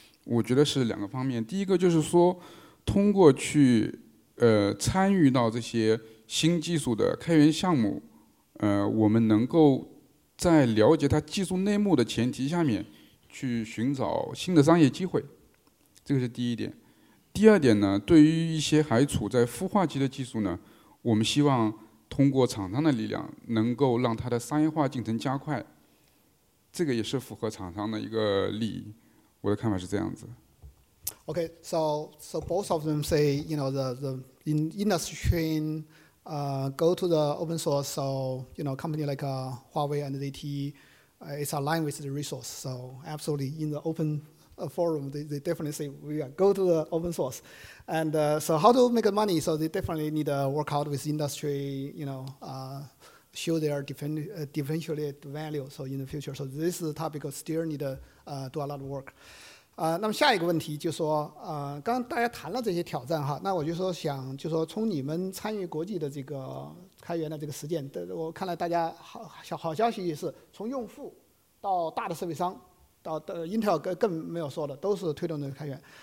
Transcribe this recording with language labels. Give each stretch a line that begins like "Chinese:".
Chinese: 我觉得是两个方面。第一个就是说，通过去参与到这些新技术的开源项目，我们能够在了解它技术内幕的前提下面去寻找新的商业机会，这个是第一点。第二点呢，对于一些还处在孵化期的技术呢，我们希望通过厂商的力量能够让它的商业化进程加快，这个也是符合厂商的一个利益，我的看法是这样子。
English: Okay, so both of them say, you know, the industry chain, go to the open source. So, you know, company like Huawei and ZTE, it's aligned with the resource. So, absolutely, in the open forum, they definitely say we are go to the open source. And so, how to make money? So, they definitely need to work out with industry. You know. Show their differentiated value. So in the future, so this topic still need to do a lot of work.
Chinese: 那么下一个问题就说，刚刚大家谈了这些挑战哈，那我就说想就说从你们参与国际的这个开源的这个实践，我看来大家好消息是从用户到大的设备商，到Intel 更没有说的，都是推动的开源。